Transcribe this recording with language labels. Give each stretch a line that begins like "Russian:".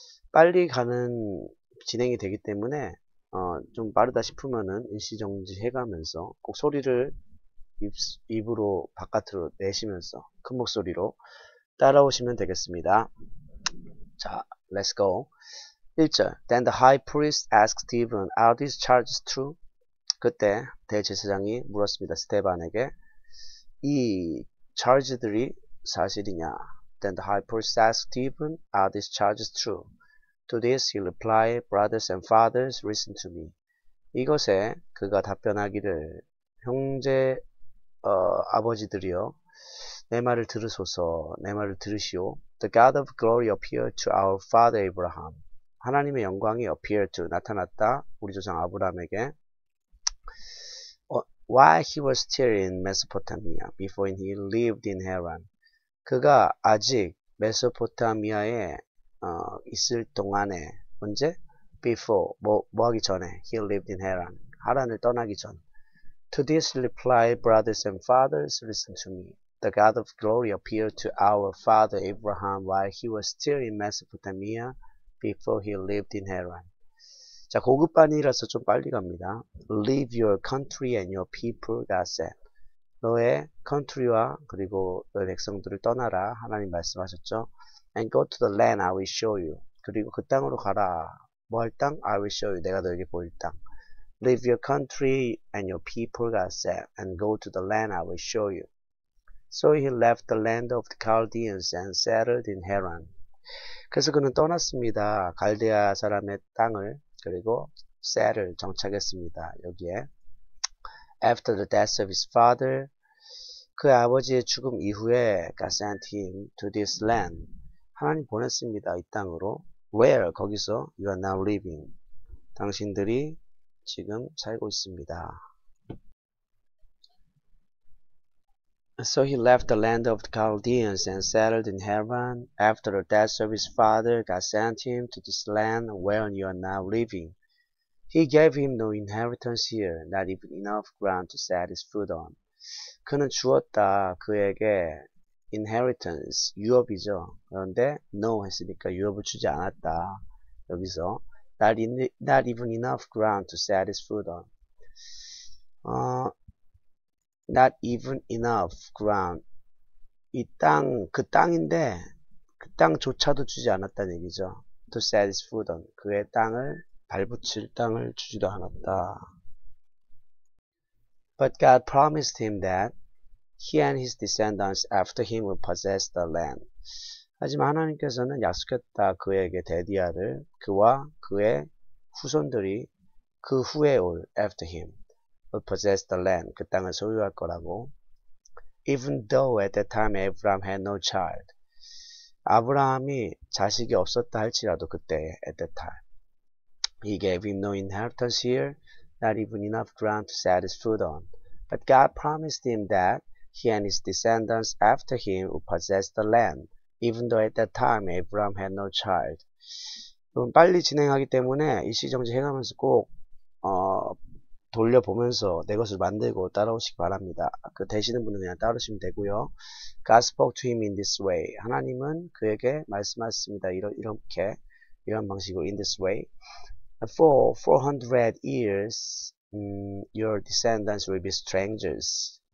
Korean: 빨리 가는 진행이 되기 때문에 좀 빠르다 싶으면은 일시정지 해가면서 꼭 소리를 입으로 바깥으로 내쉬면서 큰 목소리로 따라오시면 되겠습니다. 자,
English: let's go.
Korean: 1절.
English: Then the high priest asked Stephen, Are these charges true?
Korean: 그때 대제사장이 물었습니다. 스테반에게. 이 charge들이 사실이냐?
English: Then the high priest asked Stephen, Are these charges true? To this he replied, Brothers and fathers, listen to me.
Korean: 이것에 그가 답변하기를, 형제, 아버지들이여, 내 말을 들으소서, 내 말을 들으시오.
English: The God of glory appeared to our father Abraham.
Korean: 하나님의 영광이
English: appeared to,
Korean: 나타났다, 우리 조상 아브라함에게.
English: While he was still in Mesopotamia, before he lived in Haran.
Korean: 그가 아직 메소포타미아에 있을 동안에, 언제?
English: Before,
Korean: 뭐하기 전에,
English: he lived in Haran.
Korean: 하란을 떠나기 전.
English: To this reply, brothers and fathers, listen to me. The God of glory appeared to our father Abraham while he was still in Mesopotamia, before he lived in Haran.
Korean: 자, 고급반이라서 좀 빨리 갑니다.
English: Leave your country and your people, God said.
Korean: 너의 country와 그리고 너의 백성들을 떠나라. 하나님 말씀하셨죠?
English: And go to the land I will show you.
Korean: 그리고 그 땅으로 가라. 뭐할 땅?
English: I will show you.
Korean: 내가 너에게 보일 땅.
English: Leave your country and your people, God said, and go to the land I will show you. So he left the land of the Chaldeans and settled in Haran.
Korean: 그래서 그는 떠났습니다. 갈대아 사람의 땅을 그리고
English: settled
Korean: 정착했습니다. 여기에
English: After the death of his father,
Korean: 그의 아버지의 죽음 이후에
English: God sent him to this land.
Korean: 하나님 보냈습니다. 이 땅으로.
English: Where?
Korean: 거기서.
English: You are now living.
Korean: 당신들이 지금 살고 있습니다.
English: So he left the land of the Chaldeans and settled in Haran. After the death of his father, God sent him to this land where you are now living. He gave him no inheritance here, not even enough ground to set his foot on.
Korean: 그는 주었다. 그에게. Inheritance, 유업이죠. 그런데 no 했으니까 유업을 주지 않았다. 여기서
English: not even enough ground to set his foot on. Not even enough ground.
Korean: 이 땅, 그 땅인데 그 땅조차도 주지 않았다는 얘기죠.
English: To set his foot on.
Korean: 그의 땅을 발붙일 땅을 주지도 않았다.
English: But God promised him that. He and his descendants after him will possess the land.
Korean: 하지만 하나님께서는 약속했다. 그에게 대디아를 그와 그의 후손들이 그 후에 올
English: after him will possess the land.
Korean: 그 땅을 소유할 거라고.
English: Even though at that time Abraham had no child.
Korean: 아브라함이 자식이 없었다 할지라도 그때
English: at that time. He gave him no inheritance here, not even enough ground to set his foot on. But God promised him that He and his descendants after him would possess the land, even though at that time Abraham had no child.
Korean: 그럼 빨리 진행하기 때문에 일시정지 해가면서 꼭, 돌려보면서 내 것을 만들고 따라오시기 바랍니다. 그 되시는 분은 그냥 따르시면 되고요.
English: God spoke to him in this way.
Korean: 하나님은 그에게 말씀하셨습니다. 이런 방식으로
English: in this way. For 400 years, your descendants will be strangers.